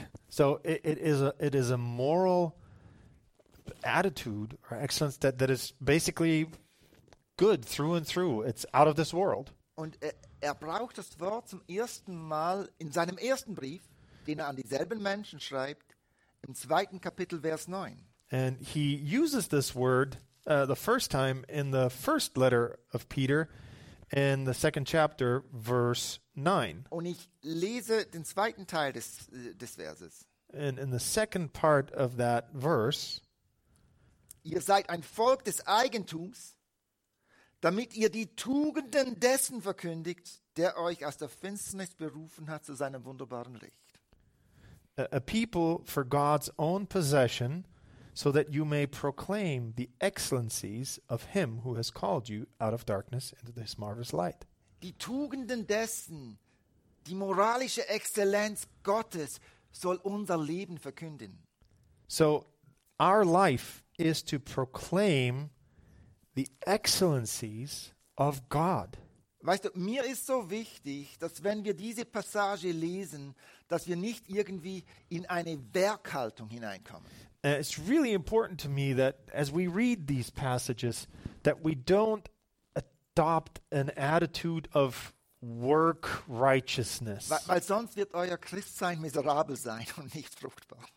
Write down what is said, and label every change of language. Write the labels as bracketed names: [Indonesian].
[English] So it is a moral attitude or excellence that is basically good through and through. It's out of this world. [German] Und er braucht das Wort zum ersten Mal in seinem ersten Brief, den er an dieselben Menschen schreibt, im zweiten Kapitel, Vers 9. [English] And he uses this word the first time in the first letter of Peter, in the second chapter, verse 9. [German] Und ich lese den zweiten Teil des Verses. [English] And in the second part of that verse, [German] ihr seid ein Volk des Eigentums, damit ihr die Tugenden dessen verkündigt, der euch aus der Finsternis berufen hat zu seinem wunderbaren Licht. [English] A people for God's own possession, so that you may proclaim the excellencies of him who has called you out of darkness into this marvelous light. [German] Die Tugenden dessen, die moralische Exzellenz Gottes, soll unser Leben verkünden. [English] So, our life is to proclaim the excellencies of God. [German] Weißt du, mir ist so wichtig, dass wenn wir diese Passage lesen, dass wir nicht irgendwie in eine Werkhaltung hineinkommen. [English] It's really important to me that as we read these passages, that we don't adopt an attitude of work righteousness. [German] Weil sonst wird euer Christsein miserabel sein und nicht fruchtbar.